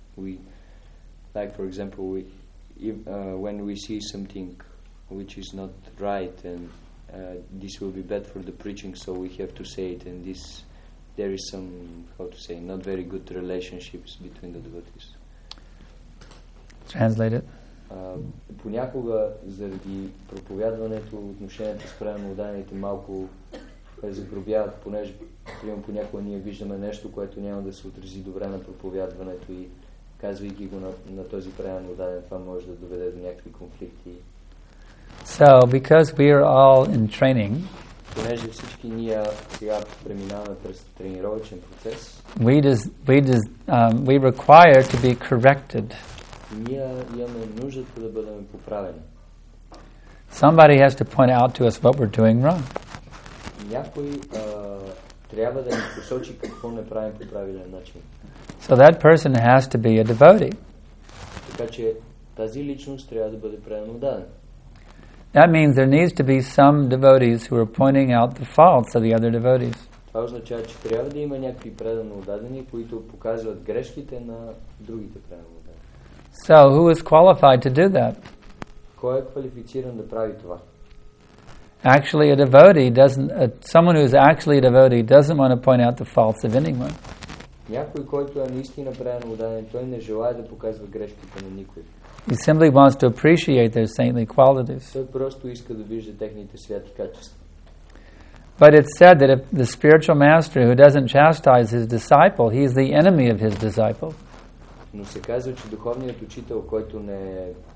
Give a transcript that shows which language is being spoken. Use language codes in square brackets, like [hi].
[en] We, like for example, when we see something which is not right, and this will be bad for the preaching, so we have to say it, and this. There is some, not very good relationships between the devotees. Translate it. [bg] Понякога, заради проповядването, отношението спрямо отдаяните малко загрубяват, понеже примерно понякога ние виждаме нещо, което няма да се отрази добре на проповядването и казвайки го на този прямо отдаян, това може да доведе до някакви конфликти. [en] So, because we are all in training, [bg] понеже всички ние сега преминаваме през тренировачен процес. [en] We require to be corrected. [bg] Ние имаме нужда да бъдем поправени. [en] Somebody has to point out to us what we're doing wrong. [bg] Някой трябва да ни посочи какво не правим по правилен начин. [en] So that person has to be a devotee. [bg] Така че тази личност трябва да бъде преданодана. [en] That means there needs to be some devotees who are pointing out the faults of the other devotees. [bg] Това означава, че трябва да има някакви предано отдадени, които показват грешките на другите предано отдадени. [en] So, who is qualified to do that? [bg] Кой е квалифициран да прави това? [en] Actually, a devotee doesn't... someone who is actually a devotee doesn't want to point out the faults of anyone. [bg] Някой, който е наистина предано отдаден, той не желая да показва грешките на никой. [en] He simply wants to appreciate their saintly qualities. [bg] Той просто иска да вижда техните святи качества. [en] But it's said that if the spiritual master who doesn't chastise his disciple, he is the enemy of his disciple. [bg] Но се казва, че духовният учител, който не